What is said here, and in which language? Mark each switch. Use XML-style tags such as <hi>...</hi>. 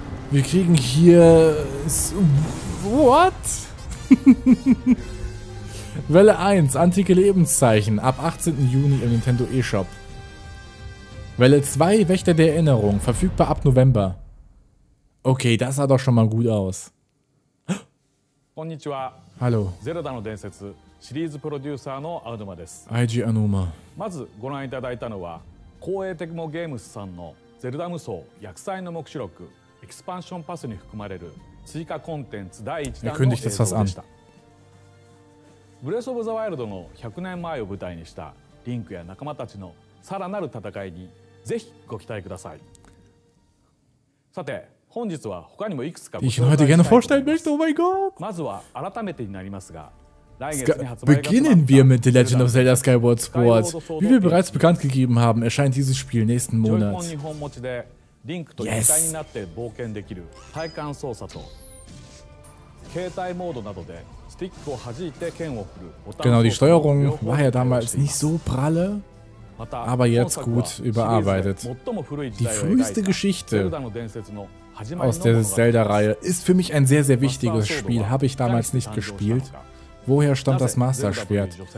<de>Wir kriegen hier...</de> <en>What?</en> <de>Welle 1, antike Lebenszeichen. Ab 18. Juni im Nintendo eShop. Welle 2, Wächter der Erinnerung. Verfügbar ab November. Okay, das sah doch schon mal gut aus.</de> <ja>Konnichiwa.</ja> <de>Hallo.</de> <ja>Zelda の伝説シリーズプロデューサーのアヌマです。 IG アヌマ。まずご覧いただいたのは、光栄テクモゲームスさんのゼルダ無双厄災の目視録エクスパンションパスに含まれる追加コンテンツ第1弾の映像でした。ブレスオブザワイルドの100年前を舞台にしたリンクや仲間たちのさらなる戦いにぜひご期待ください。さて。本日は他にもいくつかご紹介したいと思います。</ja> <en>Oh my God.</en> <ja>まずは改めてになりますが、来月に発売が決まった。</ja> <de>Beginnen wir mit The Legend of Zelda Skyward Sword. Wie wir bereits bekannt gegeben haben, erscheint dieses Spiel nächsten Monat.</de> <ja>Joy-Con 2本持ちでリンクと一体になって冒険できる体感操作と、携帯モードなどでスティックを弾いて剣を振る。</ja> <de>Genau, die Steuerung war ja damals nicht so pralle. Aber jetzt gut überarbeitet. Die früheste Geschichte aus der Zelda-Reihe ist für mich ein sehr, sehr wichtiges Spiel. Habe ich damals nicht gespielt. Woher stammt das Master-Schwert?</de>